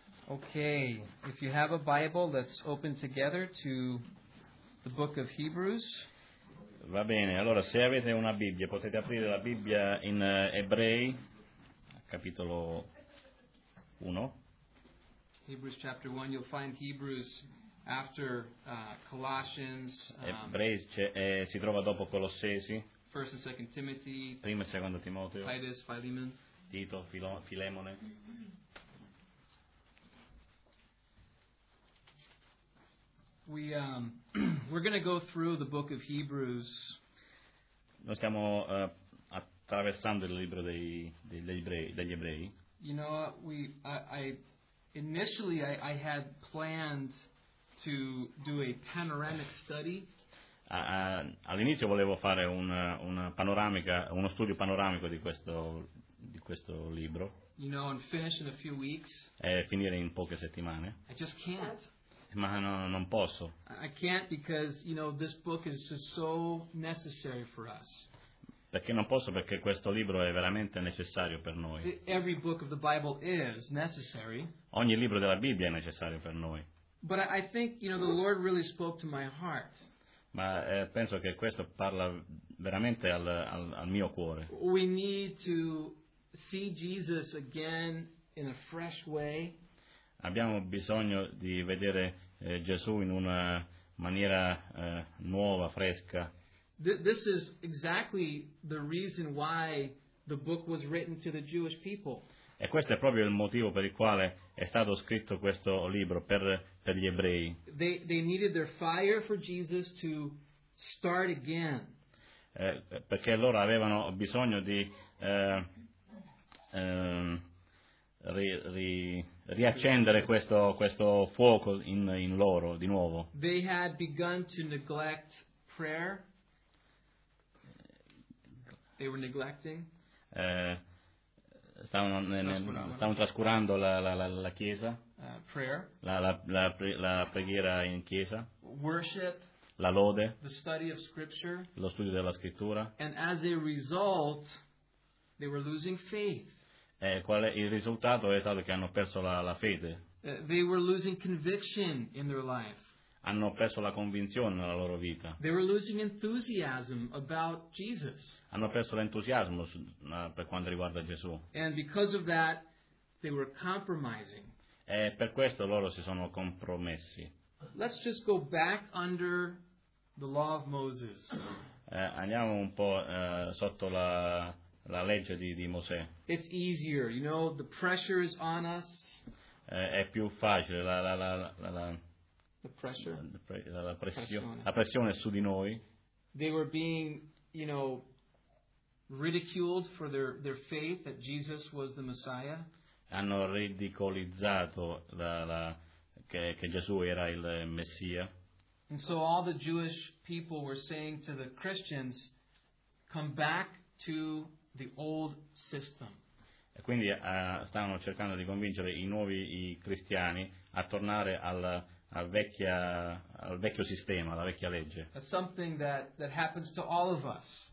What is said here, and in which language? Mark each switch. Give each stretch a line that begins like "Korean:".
English: Okay, if you have a Bible, let's open together to the book of Hebrews.
Italian: Va bene, allora se avete una Bibbia, potete aprire la Bibbia in Ebrei, capitolo 1.
English: Hebrews chapter 1, you'll find Hebrews after Colossians.
Italian: Ebrei si trova dopo Colossesi.
English: First and second Timothy.
Italian: Prima e seconda Timoteo.
English: Titus, Philemon.
Italian: Tito, Filemone.
English: We're going to go through the book of Hebrews.
Italian: Noi stiamo attraversando il libro degli ebrei.
English: You know, I had planned to do a panoramic study.
Italian: All'inizio volevo fare una panoramica, uno studio panoramico di questo libro.
English: You know, and finish in a few weeks.
Italian: E finire in poche settimane.
English: I just can't.
Italian: Ma no, non posso.
English: I can't because, you know, this book is just so necessary for us.
Italian: Perché non posso? Perché questo libro è veramente necessario per noi.
English: Every book of the Bible is necessary.
Italian: Ogni libro della Bibbia è necessario per noi.
English: But I think, you know, the Lord really spoke to my heart.
Italian: Ma penso che questo parla veramente al mio cuore.
English: We need to see Jesus again in a fresh way.
Italian: Abbiamo bisogno di vedere Gesù in una maniera nuova, fresca.
English: This is exactly the reason why the book was written to the Jewish people.
Italian: E questo è proprio il motivo per il quale è stato scritto questo libro per gli ebrei.
English: They needed their fire for Jesus to start again.
Italian: Perché loro avevano bisogno di riaccendere questo fuoco in loro di nuovo.
English: They had begun to neglect prayer. They were neglecting.
Italian: Stavano trascurando la chiesa.
English: Prayer.
Italian: La preghiera in chiesa.
English: Worship.
Italian: La lode.
English: The study of scripture.
Italian: Lo studio della scrittura.
English: And as a result, they were losing faith.
Italian: Il risultato è stato che hanno perso la fede.
English: They were losing conviction in their life.
Italian: Hanno perso la convinzione nella loro vita.
English: They were losing enthusiasm about Jesus.
Italian: Hanno perso l'entusiasmo per quanto riguarda Gesù.
English: And because of that, they were compromising.
Italian: E per questo loro si sono compromessi.
English: Let's just go back under the law of Moses.
Italian: Andiamo un po' sotto la legge di Mosè.
English: It's easier, you know, the pressure is on us.
Italian: È più facile la pressione è su di noi.
English: They were being, you know, ridiculed for their faith that Jesus was the Messiah.
Italian: Hanno ridicolizzato che Gesù era il Messia.
English: And so all the Jewish people were saying to the Christians, come back to the old system.
Italian: E quindi stavano cercando di convincere i cristiani a tornare al vecchio sistema, alla vecchia legge.
English: That's something that happens to all of us.